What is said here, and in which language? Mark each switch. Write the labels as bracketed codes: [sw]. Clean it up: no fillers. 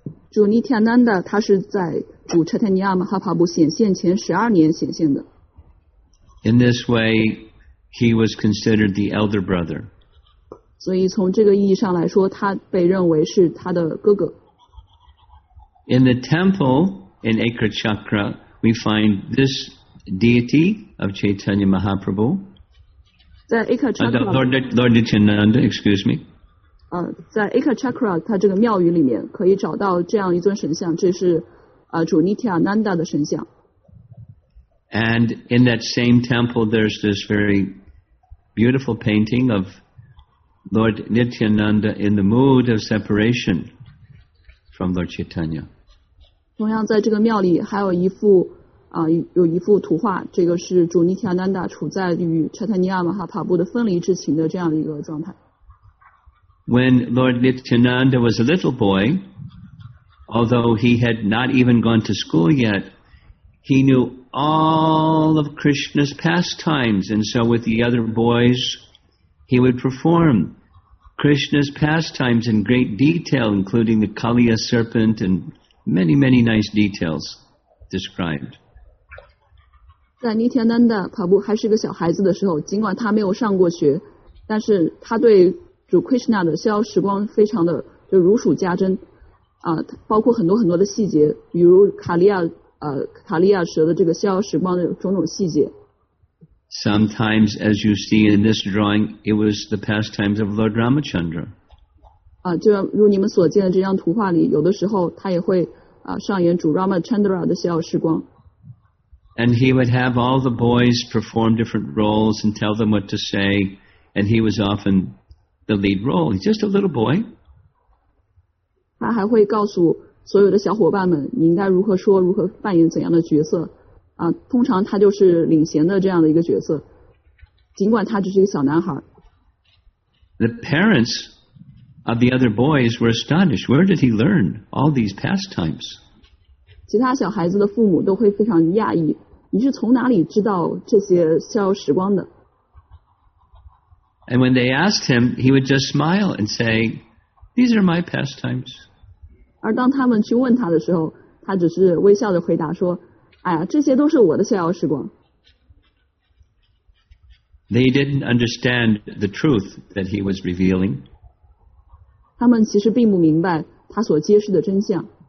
[zh] 主尼提亚南达他是在主查泰尼亚马哈帕布显现前12年显现的。 [en] In this way, he was considered the elder brother. [zh] 所以从这个意义上来说，他被认为是他的哥哥。 [en] In the temple,In Eka Chakra, we find this deity of Chaitanya Mahaprabhu. [zh] 在 Eka Chakra, [en] Lord Nityananda, excuse me. [zh] 在 Eka Chakra, 它这个庙宇里面可以找到这样一尊神像，这是主尼提亚南达的神像。 [en] And in that same temple, there's this very beautiful painting of Lord Nityananda in the mood of separation from Lord Chaitanya. [zh] 同样在这个庙里还有一幅有一幅图画，这个是主尼提亚南达处在与查泰尼亚马哈帕布的分离之情的这样一个状态。 [en] When Lord Nityananda was a little boy, although he had not even gone to school yet, he knew all of Krishna's pastimes, and so with the other boys, he would perform Krishna's pastimes in great detail, including the Kaliya serpent and... Many, many nice details described. [zh] 在尼提亚南达帕布还是个小孩子的时候，尽管他没有上过学，但是他对主 Krishna 的逍遥时光非常的就如数家珍，包括很多很多的细节，比如卡利亚蛇的这个逍遥时光的种种细节。 [en] Sometimes, as you see in this drawing, it was the pastimes of Lord Ramachandra. [zh] 就如你们所见的这张图画里，有的时候他也会上演主 Ramachandra 的逍遥时光。 [en] And he would have all the boys perform different roles and tell them what to say, and he was often the lead role. He's just a little boy. [zh] 他还会告诉所有的小伙伴们，你应该如何说，如何扮演怎样的角色。通常他就是领衔的这样的一个角色，尽管他只是一个小男孩。 [en] The parents. Of the other boys were astonished. Where did he learn all these pastimes? [zh] 其他小孩子的父母都会非常讶异，你是从哪里知道这些逍遥时光的？ [en] And when they asked him, he would just smile and say, "These are my pastimes." [zh] 而当他们去问他的时候，他只是微笑地回答说，哎呀，这些都是我的逍遥时光。 [en] They didn't understand the truth that he was revealing. [zh] 他们其实并不明白他所揭示的真相。